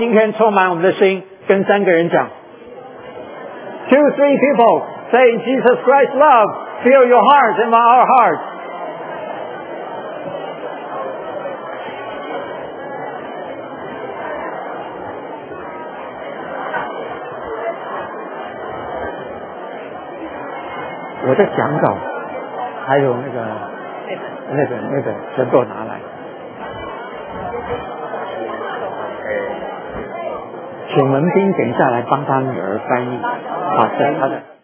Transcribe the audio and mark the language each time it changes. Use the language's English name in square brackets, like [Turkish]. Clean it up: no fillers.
[Chinese] 今天充满我们的心，跟三个人讲。 [English] Two, three people say Jesus Christ's love, fill your heart and our heart. [Chinese] 我的讲稿还有那个全部拿来。请文斌等一下来帮他女儿翻译。好，谢谢他的。